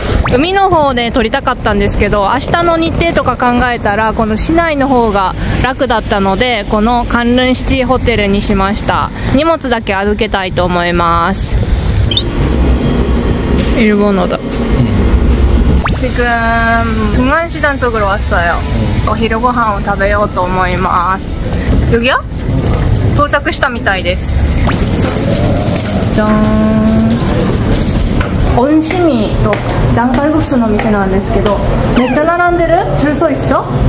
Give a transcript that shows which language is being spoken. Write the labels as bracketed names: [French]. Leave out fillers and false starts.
[Japanese] 海の方で撮りたかったんですけど、明日の日程とか考えたらこの市内の方が楽だったので、このカンルンシティホテルにしました。荷物だけ預けたいと思います。イルボノだ。 [Korean] 지금중앙시장쪽으로왔어요。 [Japanese] お昼ご飯を食べようと思います。 [Korean] 여기요？ [Japanese] 到着したみたいです。じゃーん。 온시미또장칼국수の店なんですけど、めっちゃ並んでる？ [Korean] 줄서있어？